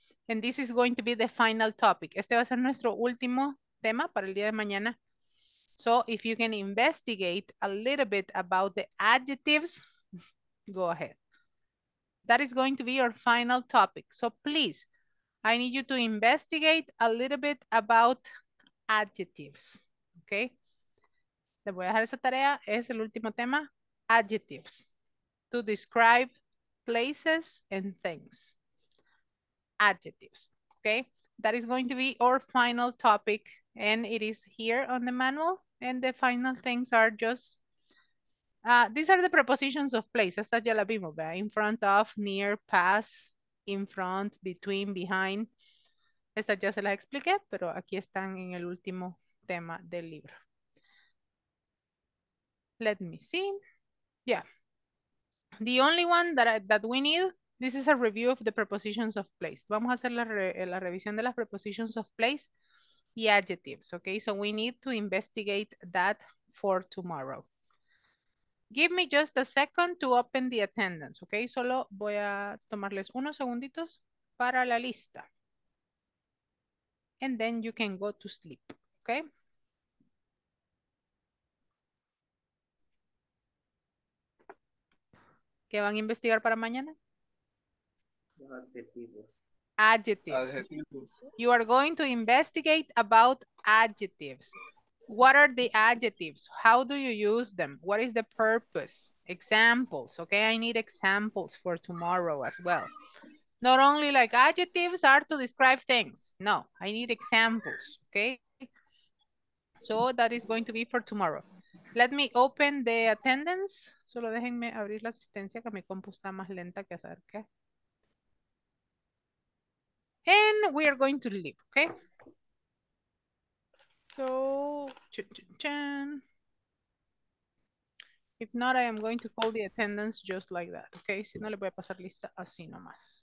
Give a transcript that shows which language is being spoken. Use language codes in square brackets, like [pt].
[en] And this is going to be the final topic. [es] Este va a ser nuestro último tema para el día de mañana. [en] So if you can investigate a little bit about the adjectives, go ahead. That is going to be your final topic. So please, I need you to investigate a little bit about adjectives, okay? [es] Le voy a dejar esa tarea, es el último tema, adjectives, [en] to describe places and things. Adjectives, okay? That is going to be our final topic, and it is here on the manual, and the final things are just, these are the prepositions of place, [es] hasta ya la vimos, ¿verdad? [en] In front of, near, past, in front, between, behind. [es] Esta ya se las expliqué, pero aquí están en el último tema del libro. [en] Let me see. Yeah. The only one that we need, this is a review of the prepositions of place. [es] Vamos a hacer la revisión de las prepositions of place y adjectives, okay? [en] So we need to investigate that for tomorrow. Give me just a second to open the attendance, okay? [es] Solo voy a tomarles unos segunditos para la lista. [en] And then you can go to sleep, okay? [es] ¿Qué van a investigar para mañana? [en] Adjectives. You are going to investigate about adjectives. What are the adjectives? How do you use them? What is the purpose? Examples, okay? I need examples for tomorrow as well. Not only like adjectives are to describe things. No, I need examples, okay? So that is going to be for tomorrow. Let me open the attendance. [es] Solo déjenme abrir la asistencia que mi compu está más lenta que hacer, ¿qué? [en] And we are going to leave, okay? So, if not, I am going to call the attendance just like that, okay? [es] Si no, le voy a pasar lista así nomás.